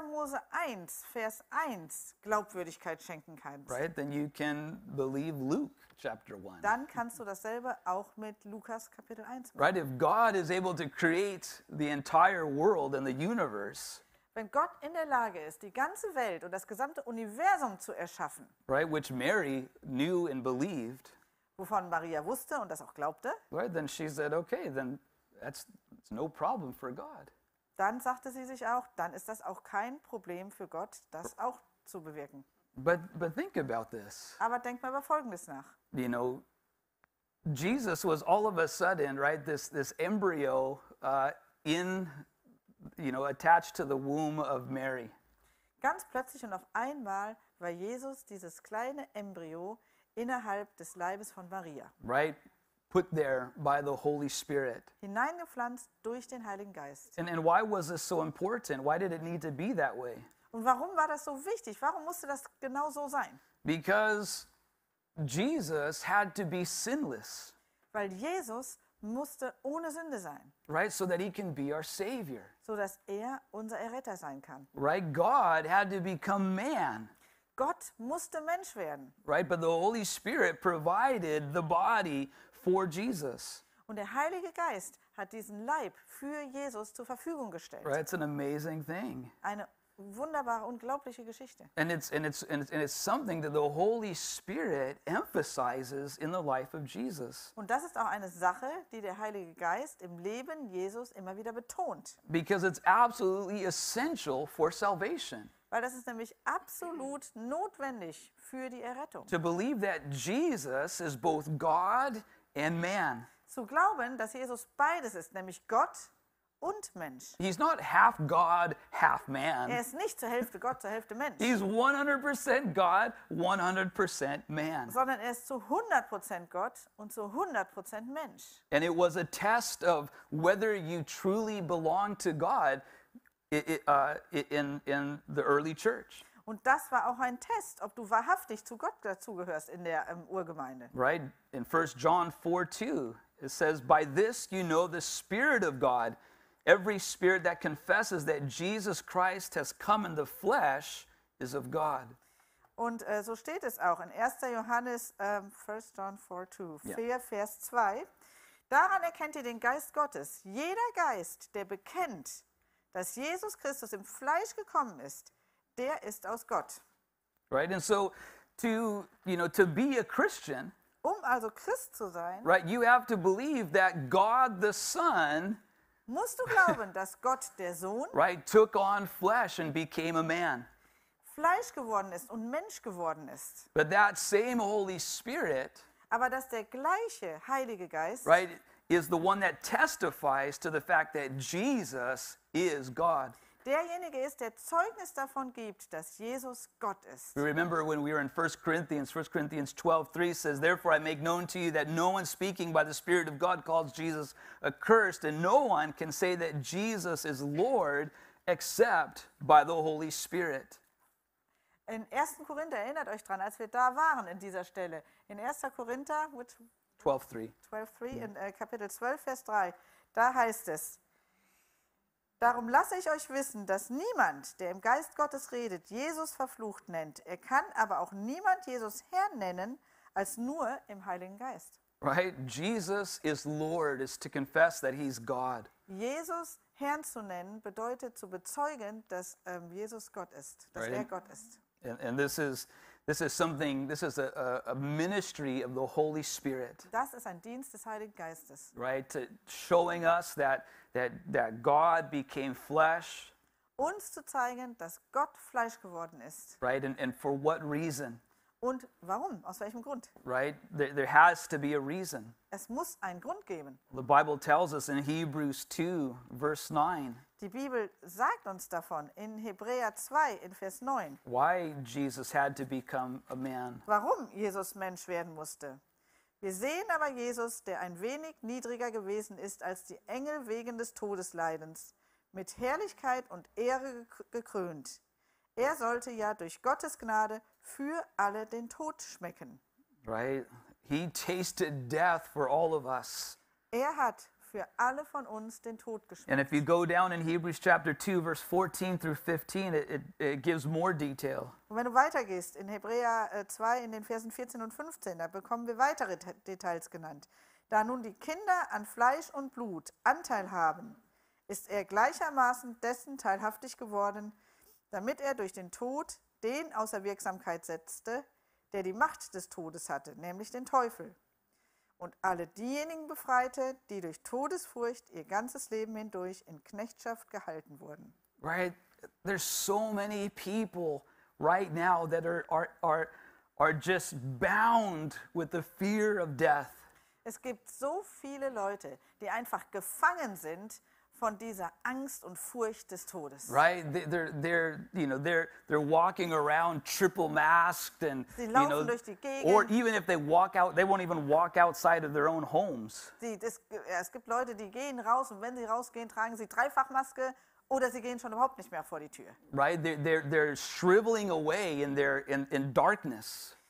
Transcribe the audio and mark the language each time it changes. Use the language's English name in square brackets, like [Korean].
[German] Mose 1, Vers 1 Glaubwürdigkeit schenken kannst. [English] Right, then you can believe Luke chapter 1. [German] Dann kannst du dasselbe auch mit Lukas Kapitel 1 machen. [English] Right, if God is able to create the entire world and the universe. [German] Wenn Gott in der Lage ist, die ganze Welt und das gesamte Universum zu erschaffen. [English] Right, which Mary knew and believed. [German] Wovon Maria wusste und das auch glaubte. [English] Right, then she said, okay, then that's no problem for God. [German] Dann sagte sie sich auch, dann ist das auch kein Problem für Gott, das auch zu bewirken. [English] But think about this. [German] Aber denk mal über Folgendes nach. [English] You know, Jesus was all of a sudden, right, this embryo in, you know, attached to the womb of Mary. [German] Ganz plötzlich und auf einmal war Jesus dieses kleine Embryo innerhalb des Leibes von Maria. [English] Right. Put there by the Holy Spirit. [German] Hineingepflanzt durch den Heiligen Geist. [English] And why was this so important? Why did it need to be that way? [German] Und warum war das so wichtig? Warum musste das genau so sein? [English] Because Jesus had to be sinless. [German] Weil Jesus musste ohne Sünde sein. [English] Right, so that he can be our Savior. [German] So dass er unser Erretter sein kann. [English] Right, God had to become man. [German] Gott musste Mensch werden. [English] Right, but the Holy Spirit provided the body for Jesus. [German] Und der Heilige Geist hat diesen Leib für Jesus zur Verfügung gestellt. [English] Right, it's an amazing thing. [German] Eine wunderbare, unglaubliche Geschichte. [English] And it's something that the Holy Spirit emphasizes in the life of Jesus. [German] Und das ist auch eine Sache, die der Heilige Geist im Leben Jesus immer wieder betont. [English] Because it's absolutely essential for salvation. [German] Weil das ist nämlich absolut notwendig für die Errettung. [English] To believe that Jesus is both God and man. [German] Zu glauben, dass Jesus beides ist, nämlich Gott und Mensch. [English] He's not half God, half man. [German] Er ist nicht zur Hälfte Gott, zur Hälfte Mensch. [English] He's 100% God, 100% man. [German] Sondern er ist zu 100% Gott und zu 100% Mensch. [English] And it was a test of whether you truly belong to God in the early church. [German] Und das war auch ein Test, ob du wahrhaftig zu Gott dazugehörst in der Urgemeinde. [English] Right, in 1 John 4, 2, it says, by this you know the Spirit of God. Every spirit that confesses that Jesus Christ has come in the flesh is of God. [German] Und so steht es auch in 1. Johannes, 1. [English] John 4, 2, yeah. 4, [German] Vers 2. Daran erkennt ihr den Geist Gottes. Jeder Geist, der bekennt, dass Jesus Christus im Fleisch gekommen ist, der ist aus Gott. [English] Right, and so to, you know, to be a Christian, [German] also Christ zu sein, [English] right, you have to believe that God the Son, [German] musst du glauben, dass Gott der Sohn, [English] right, took on flesh and became a man. [German] Fleisch geworden ist und Mensch geworden ist. [English] But that same Holy Spirit, [German] aber dass der gleiche Heilige Geist, [English] right, is the one that testifies to the fact that Jesus is God. [German] Derjenige ist, der Zeugnis davon gibt, dass Jesus Gott ist. [English] We remember when we were in 1 Corinthians 12:3 says, therefore I make known to you that no one speaking by the Spirit of God calls Jesus accursed, and no one can say that Jesus is Lord except by the Holy Spirit. [German] In 1. Korinther, erinnert euch dran, als wir da waren in dieser Stelle, in 1. Korinther, 12:3, in Kapitel 12, Vers 3, da heißt es, darum lasse ich euch wissen, dass niemand, der im Geist Gottes redet, Jesus verflucht nennt. Er kann aber auch niemand Jesus Herr nennen, als nur im Heiligen Geist. [English] Right? Jesus is Lord, is to confess that he's God. [German] Jesus Herrn zu nennen, bedeutet zu bezeugen, dass Jesus Gott ist, dass er Gott ist. [English] And this is a ministry of the Holy Spirit. [German] Das ist ein Dienst des Heiligen Geistes. [English] Right, to showing us that God became flesh. [German] Uns zu zeigen, dass Gott Fleisch geworden ist. [English] Right, and for what reason? [German] Und warum? Aus welchem Grund? [English] Right, there has to be a reason. [German] Es muss einen Grund geben. [English] The Bible tells us in Hebrews 2, verse 9. [German] Die Bibel sagt uns davon in Hebräer 2 in Vers 9. [English] Why Jesus had to become a man. [German] Warum Jesus Mensch werden musste. Wir sehen aber Jesus, der ein wenig niedriger gewesen ist als die Engel wegen des Todesleidens, mit Herrlichkeit und Ehre gekrönt. Er sollte ja durch Gottes Gnade für alle den Tod schmecken. [English] Right. He tasted death for all of us. [German] Er hat für alle von uns den Tod geschmeckt. [English] And if you go down in Hebrews chapter 2, verse 14 through 15, it gives more detail. [German] Und wenn du weitergehst in Hebräer 2, in den Versen 14 und 15, da bekommen wir weitere Details genannt. Da nun die Kinder an Fleisch und Blut Anteil haben, ist er gleichermaßen dessen teilhaftig geworden, damit er durch den Tod den außer Wirksamkeit setzte, der die Macht des Todes hatte, nämlich den Teufel, und alle diejenigen befreite, die durch Todesfurcht ihr ganzes Leben hindurch in Knechtschaft gehalten wurden. [English] Right, there's so many people right now that are just bound with the fear of death. [German] Es gibt so viele Leute, die einfach gefangen sind von dieser Angst und Furcht des Todes. [English] Right, they're walking around triple masked, and [German] sie laufen durch die Gegend. [English] Or even if they walk out, they won't even walk outside of their own homes. [German] Es gibt Leute, die gehen raus, und wenn sie rausgehen, tragen sie dreifach Maske oder sie gehen schon überhaupt nicht mehr vor die Tür. [English] Right, they're shriveling away in darkness.